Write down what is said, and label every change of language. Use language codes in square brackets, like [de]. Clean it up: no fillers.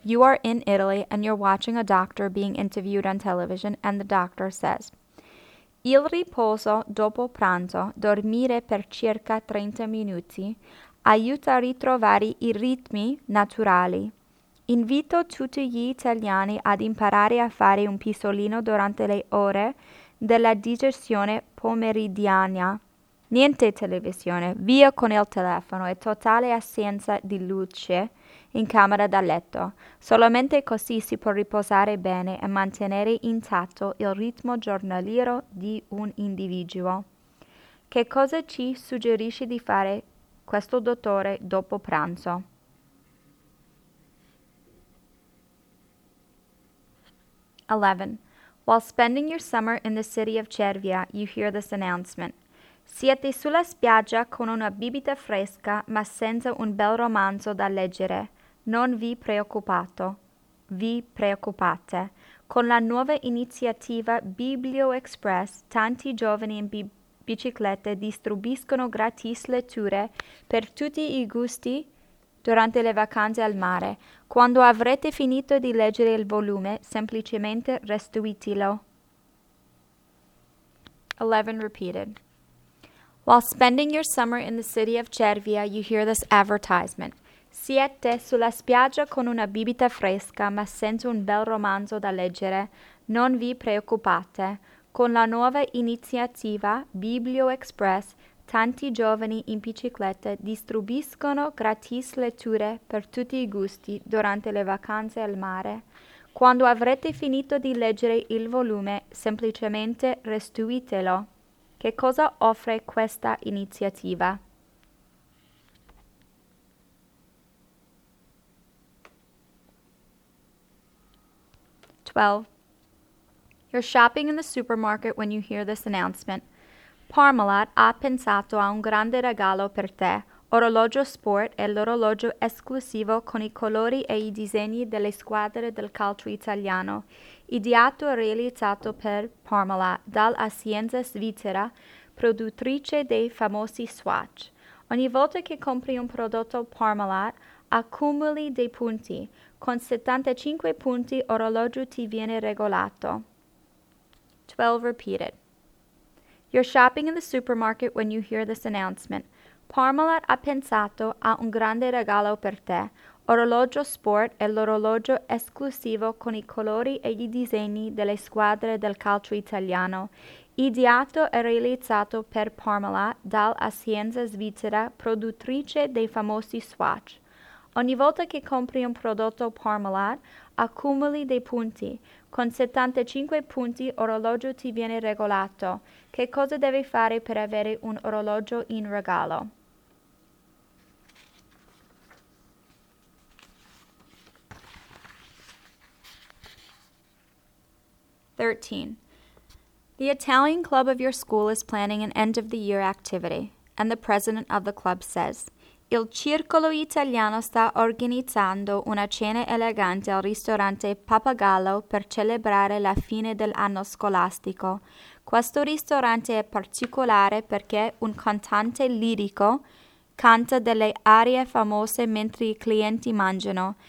[en] You are in Italy and you're watching a doctor being interviewed on television and the doctor says, [it] Il riposo dopo pranzo, dormire per circa 30 minuti, aiuta a ritrovare i ritmi naturali. Invito tutti gli italiani ad imparare a fare un pisolino durante le ore della digestione pomeridiana. Niente televisione, via con il telefono e totale assenza di luce in camera da letto. Solamente così si può riposare bene e mantenere intatto il ritmo giornaliero di un individuo. Che cosa ci suggerisce di fare questo dottore dopo pranzo? [en] 11. While spending your summer in the city of Cervia, you hear this announcement. [it] Siete sulla spiaggia con una bibita fresca, ma senza un bel romanzo da leggere. Non vi preoccupate. Vi preoccupate. Con la nuova iniziativa Biblio Express, tanti giovani in biciclette distribuiscono gratis letture per tutti i gusti durante le vacanze al mare. Quando avrete finito di leggere il volume, semplicemente restituitelo. [en] 11 repeated. While spending your summer in the city of Cervia, you hear this advertisement. [it] Siete sulla spiaggia con una bibita fresca, ma senza un bel romanzo da leggere. Non vi preoccupate. Con la nuova iniziativa Biblio Express, tanti giovani in biciclette distribuiscono gratis letture per tutti i gusti durante le vacanze al mare. Quando avrete finito di leggere il volume, semplicemente restituitelo. Che cosa offre questa iniziativa? [en] 12. You're shopping in the supermarket when you hear this announcement. [it] Parmalat ha pensato a un grande regalo per te. Orologio Sport è l'orologio esclusivo con i colori e i disegni delle squadre del calcio italiano. Ideato e realizzato per Parmalat, dalla azienda svizzera, produttrice dei famosi Swatch. Ogni volta che compri un prodotto Parmalat, accumuli dei punti. Con 75 punti, orologio ti viene regalato. [en] 12 repeated. You're shopping in the supermarket when you hear this announcement. [it] Parmalat ha pensato a un grande regalo per te. Orologio Sport è l'orologio esclusivo con i colori e i disegni delle squadre del calcio italiano. Ideato e realizzato per Parmalat dall'azienda svizzera produttrice dei famosi Swatch. Ogni volta che compri un prodotto Parmalat, accumuli dei punti. Con 75 punti, orologio ti viene regalato. Che cosa devi fare per avere un orologio in regalo? [en] 13. The Italian club of your school is planning an end-of-the-year activity, and the president of the club says, [it] Il Circolo Italiano sta organizzando una cena elegante al ristorante Papagallo per celebrare la fine dell'anno scolastico. Questo ristorante è particolare perché un cantante lirico canta delle arie famose mentre i clienti mangiano.